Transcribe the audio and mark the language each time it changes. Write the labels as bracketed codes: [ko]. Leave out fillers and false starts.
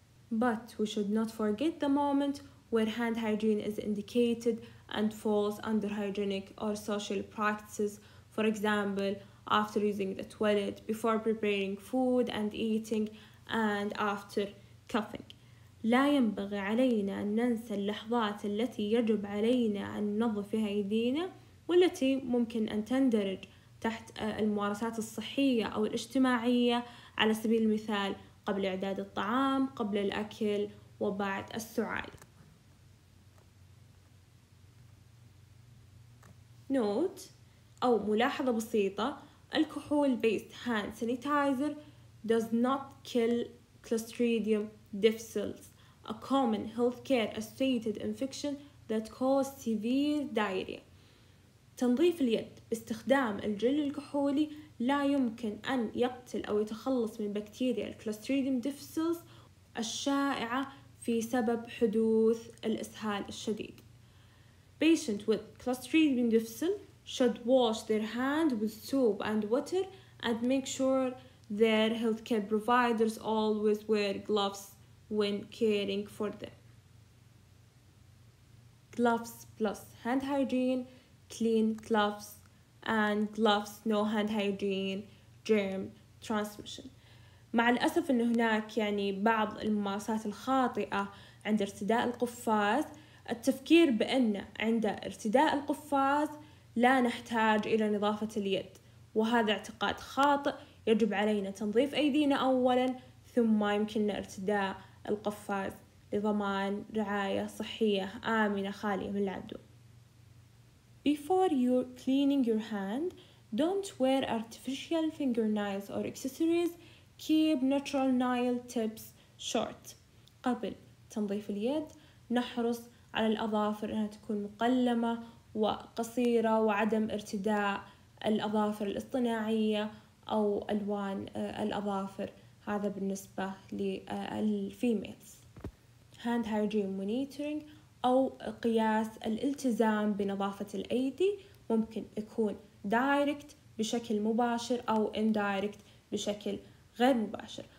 [en] But we should not forget the moment where hand hygiene is indicated and falls under hygienic or social practices. For example, after using the toilet, before preparing food and eating, and after coughing. [ar] لا ينبغي علينا أن ننسى اللحظات التي يجب علينا أن ننظف فيها أيدينا والتي ممكن أن تندرج تحت الممارسات الصحية أو الاجتماعية على سبيل المثال قبل إعداد الطعام، قبل الأكل، وبعد السعال. نوت أو ملاحظة بسيطة، الكحول [en] based hand sanitizer does not kill Clostridium difficile, a common healthcare associated infection that causes severe diarrhea. [ar] تنظيف اليد باستخدام الجل الكحولي لا يمكن أن يقتل أو يتخلص من بكتيريا Clostridium difficile الشائعة في سبب حدوث الإسهال الشديد. [en] Patient with Clostridium difficile should wash their hand with soap and water and make sure their healthcare providers always wear gloves when caring for them. Gloves plus hand hygiene, clean gloves and gloves, no hand hygiene, germ transmission. [ar] مع الأسف أن هناك يعني بعض الممارسات الخاطئة عند ارتداء القفاز، التفكير بأن عند ارتداء القفاز لا نحتاج إلى نظافة اليد، وهذا اعتقاد خاطئ. يجب علينا تنظيف أيدينا أولاً ثم يمكننا ارتداء القفاز لضمان رعاية صحية آمنة خالية من العدوى. [en] Before you're cleaning your hand, don't wear artificial fingernails or accessories. Keep natural nail tips short. [ar] قبل تنظيف اليد نحرص على الأظافر أنها تكون مقلمة وقصيرة، وعدم ارتداء الأظافر الاصطناعية أو ألوان الأظافر. هذا بالنسبة للفيميلز. [en] Hand hygiene monitoring [ar] أو قياس الالتزام بنظافة الأيدي ممكن يكون direct بشكل مباشر أو indirect بشكل غير مباشر.